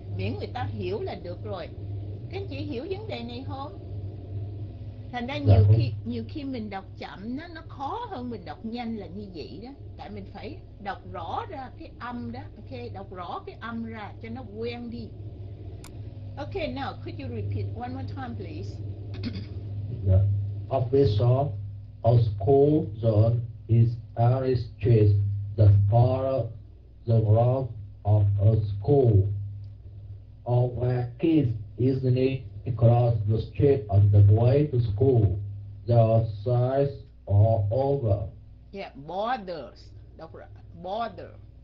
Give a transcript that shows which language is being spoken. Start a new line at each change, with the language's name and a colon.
Vietnamese: Miễn người ta hiểu là được rồi. Các anh chị hiểu vấn đề này không? Thành ra Dạ không. nhiều khi mình đọc chậm nó khó hơn mình đọc nhanh là như vậy đó. Tại mình phải đọc rõ ra cái âm đó, ok, đọc rõ cái âm ra cho nó quen đi.
English: Ok, now could you repeat one more time please? Officer, a school zone is any street that follows the route of a school, or where kids easily cross the street on the way to school, the side or over. Yeah, borders, đọc là border,